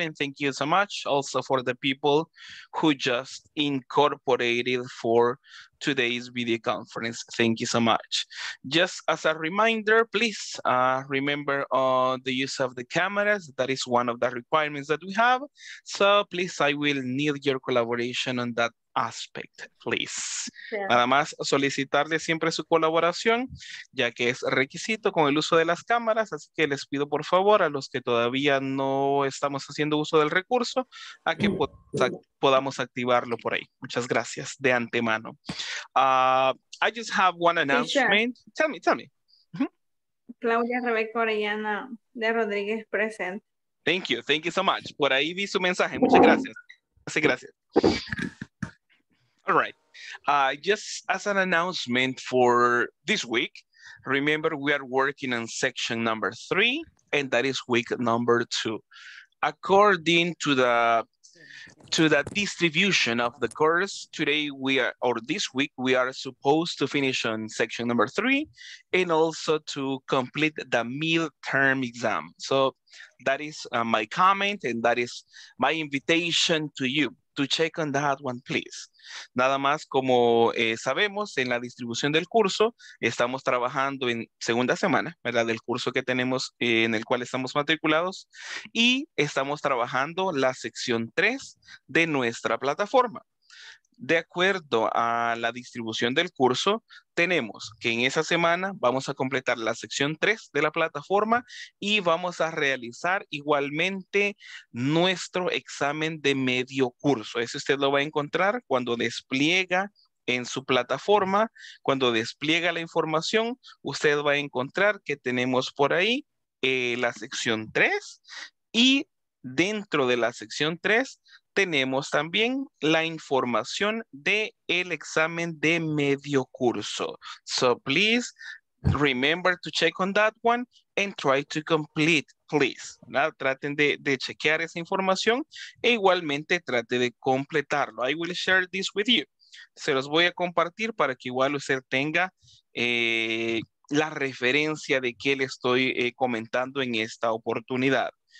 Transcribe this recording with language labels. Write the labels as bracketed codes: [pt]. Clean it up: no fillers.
[en] And thank you so much also for the people who just incorporated for today's video conference. Thank you so much. Just as a reminder, please remember the use of the cameras. That is one of the requirements that we have. So please, I will need your collaboration on that aspect, please. Yeah. [es] Nada más solicitarle siempre su colaboración, ya que es requisito con el uso de las cámaras, así que les pido por favor a los que todavía no estamos haciendo uso del recurso, a que podamos activarlo por ahí. Muchas gracias de antemano. [en] I just have one announcement. Sí, tell me, tell me. Claudia Rebeca Orellana de Rodríguez present. Thank you so much. [es] Por ahí vi su mensaje, muchas gracias. Así gracias. [en] All right, just as an announcement for this week, remember we are working on section number 3, and that is week number 2. According to the distribution of the course, today we are, or this week, we are supposed to finish on section number 3 and also to complete the midterm exam. So that is my comment, and that is my invitation to you to check on that one, please. [es] Nada más, como sabemos, en la distribución del curso, estamos trabajando en segunda semana, ¿verdad? Del curso que tenemos, en el cual estamos matriculados, y estamos trabajando la sección 3 de nuestra plataforma. De acuerdo a la distribución del curso, tenemos que en esa semana vamos a completar la sección 3 de la plataforma y vamos a realizar igualmente nuestro examen de medio curso. Eso usted lo va a encontrar cuando despliega en su plataforma, cuando despliega la información, usted va a encontrar que tenemos por ahí la sección 3 y dentro de la sección 3 tenemos también la información del examen de medio curso. [en] So please remember to check on that one and try to complete, please. [es] ¿No? Traten de chequear esa información e igualmente trate de completarlo. [en] I will share this with you. [es] Se los voy a compartir para que igual usted tenga la referencia de qué le estoy comentando en esta oportunidad.